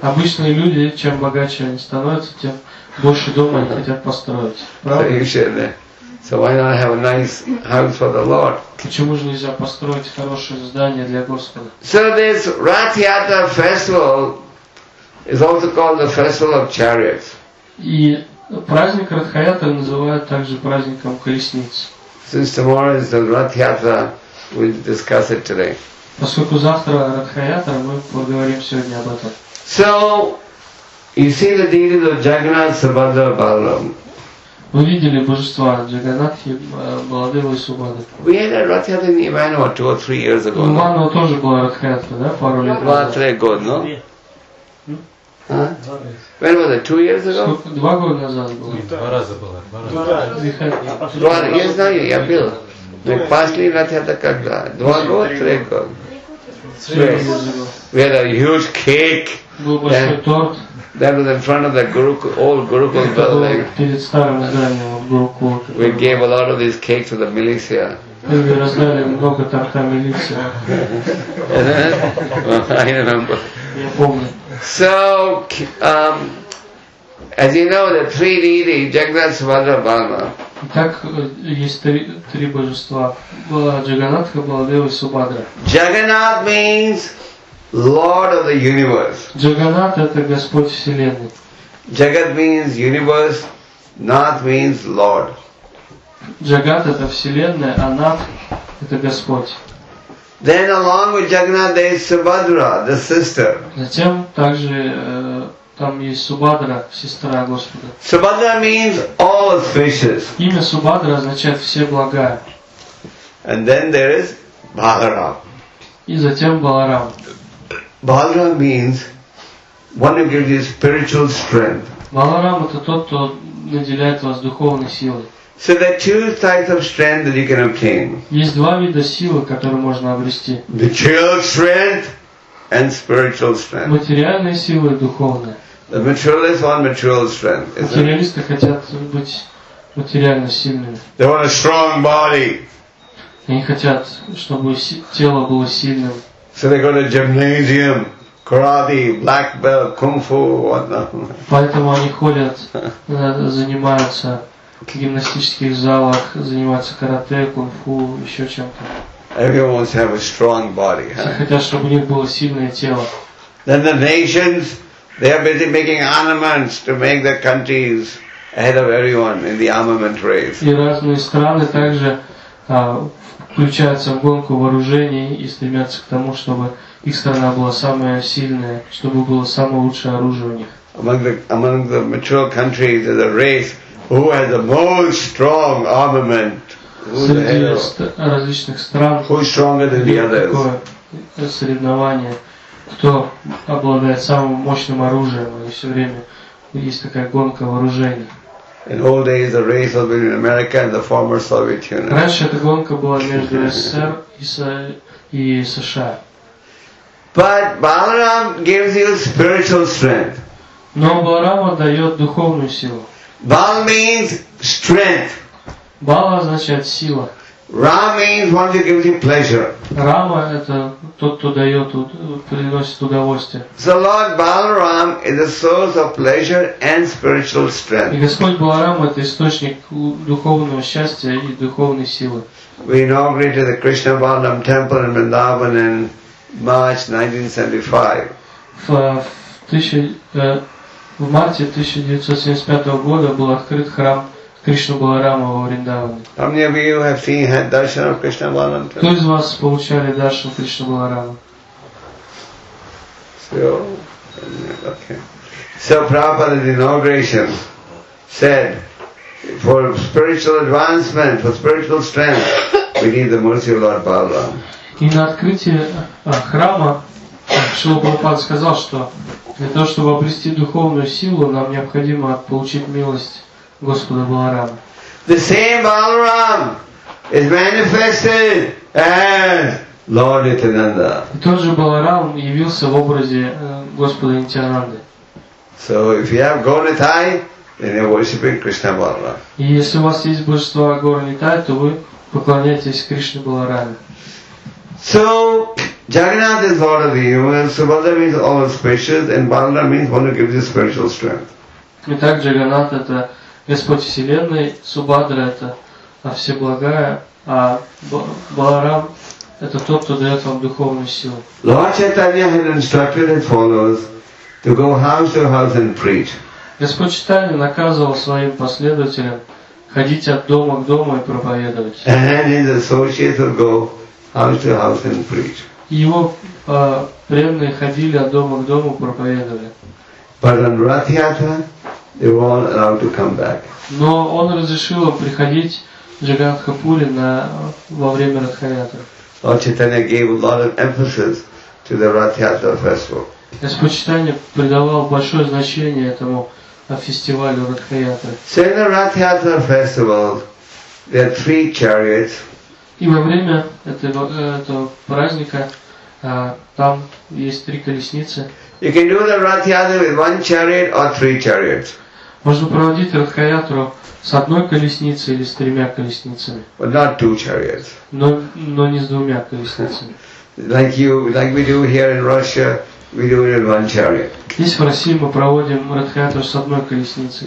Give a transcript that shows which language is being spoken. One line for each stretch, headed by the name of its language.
Russian: Обычные люди, чем богаче они становятся, тем больше дома они хотят построить.
English: So why not have a nice house for the Lord?
Russian: Почему же нельзя построить хорошее здание для Господа?
English: So this Rath Yatra festival is also called the festival of chariots.
Russian: И праздник Ратхаятра называют также праздником колесниц.
English: Since tomorrow is the Rath Yatra, we'll discuss it today.
Russian: Поскольку завтра Ратхаятра, мы поговорим сегодня об этом.
English: So you see the deities of Jagannath, Subhadra, Balaram.
Russian: Вы видели божества Джаганатхи, Баладева и Субхадры.
English: We had a Rath Yatra in Ivanova two or three years ago.
Russian: Ivanova тоже была Rath Yatra, да, пару лет назад. Два-три года, но.
English: Huh? When was it? 2 years ago?
Russian: Два года назад было. Два раза было. Два раза. Я знаю, я был. Но последний раз это когда? Два года, три года.
English: We had a huge cake.
Russian: Был большой торт.
English: That was in front of the old Gurukul building.
Russian: Перед старым зданием Гурукул.
English: We gave a lot of these cakes to the militia.
Russian: Мы раздали много торта милиции.
English: I remember.
Russian: Я помню.
English: So, as you know, the three deities, Jagannath, Subhadra, Balarama.
Russian: Так есть три божества: Джаганатха, Баладева и Субхадра.
English: Jagannath means Lord of the Universe.
Russian: Джаганат это Господь Вселенной.
English: Jagat means Universe. Nath means Lord.
Russian: Джагат это Вселенная, а Нат это Господь.
English: Then along with Jagannath there is Subhadra, the sister.
Russian: Затем также там есть Субхадра, сестра Господа.
English: Subhadra means all auspicious.
Russian: Имя Субхадра означает все блага.
English: And then there is Balaram.
Russian: И затем Баларам.
English: Balaram means one who gives you spiritual strength.
Russian: Баларам это тот, кто наделяет вас духовной силой.
English: So there are two types of strength that you can obtain.
Russian: Есть два вида силы, которые можно обрести.
English: Material strength and spiritual strength.
Russian: Материальная сила и духовная.
English: The materialist want material strength.
Russian: Материалисты хотят быть материально сильными.
English: They want a strong body.
Russian: Они хотят, чтобы тело было сильным.
English: So they go to gymnasium, karate, black belt, kung fu, whatnot.
Russian: Поэтому они ходят, занимаются в гимнастических залах, занимаются карате, кунг-фу, еще чем-то.
English: Everyone wants to have a strong body.
Russian: Хотят, чтобы у них было сильное тело.
English: Then the nations, they are busy making armaments to make their countries ahead of everyone in the armament race.
Russian: И разные страны также включаются в гонку вооружений и стремятся к тому, чтобы их страна была самая сильная, чтобы было самое лучшее оружие у них.
English: Among the mature countries is a race who has the most strong armament.
Russian: Среди различных стран такое соревнование, кто обладает самым мощным оружием, и все время есть такая гонка вооружений.
English: In old days, the race was between America and the former Soviet Union.
Russian: Раньше эта гонка была между СССР и США.
English: But Balaram gives you spiritual strength.
Russian: Но Баларама дает духовную силу.
English: Bal means strength.
Russian: Бала означает сила.
English: Рама means one who gives you pleasure.
Russian: Рама это тот, кто дает, приносит удовольствие.
English: So Lord Balaram is the source of pleasure and spiritual strength.
Russian: И Господь Баларама это источник духовного счастья и духовной силы.
English: We inaugurated the Krishna Balaram Temple in Vrindavan in March 1975.
Russian: В марте 1975 года был открыт храм Кришна Баларама во Вриндаване.
English: How many of you have seen had darshan of Krishna Balaram?
Russian: Кто из вас получали даршан Кришна Баларама?
English: So Prabhupada at inauguration said, for spiritual advancement, for spiritual strength, we need the mercy of Lord Balaram.
Russian: И на открытии храма Шрила Прабхупада сказал, что для того, чтобы обрести духовную силу, нам необходимо получить милость Господа Баларама.
English: The same Balaram is manifested as Lord Nityananda.
Russian: И тот же Баларам явился в образе Господа Нитянанды.
English: So if you have Gaur-Nitai, then you're worshiping Krishna Balaram.
Russian: И если у вас есть божество Гаур-Нитай, то вы поклоняетесь Кришне Балараме.
English: So Jagannath is Lord of the universe. Subhadra means all auspicious, and Balaram means one who gives you spiritual strength.
Russian: Итак, Джаганнат это Господь Вселенной, Субхадра это Всеблагая, а Баларам это тот, кто дает вам духовную силу.
English: Lord Chaitanya had instructed his followers to go house to house and preach.
Russian: Господь Чайтанья наказывал своим последователям ходить от дома к дому и проповедовать.
English: And his associates would go house to house and preach.
Russian: Его преданные ходили от дома к дому и проповедовали.
English: But on Rath Yatra, they were all allowed to come back.
Russian: Но он разрешил приходить в Джаганнатхапури во время Радхаятры.
English: Lord Chaitanya gave a lot of emphasis to the Rath Yatra festival.
Russian: Господь Чайтанья придавал большое значение этому фестивалю Радхаятры.
English: So in the Rath Yatra festival, there are three chariots.
Russian: И во время этого праздника там есть три колесницы.
English: You can do the Rath Yatra with one chariot or three chariots.
Russian: Можно проводить Радхаятру с одной колесницей или с тремя колесницами.
English: But not two chariots.
Russian: Но не с двумя колесницами.
English: Like you, like we do here in Russia, we do it in one chariot.
Russian: Здесь в России мы проводим Радхаятру с одной колесницей.